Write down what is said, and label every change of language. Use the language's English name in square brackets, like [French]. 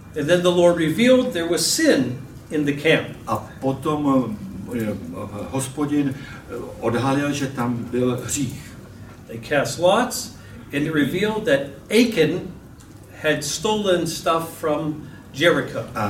[English] And then the Lord revealed there was sin in the camp. [Czech] A potom Hospodin odhalil, že tam byl hřích. [English] They cast lots, and it revealed that Achan had stolen stuff from Jericho.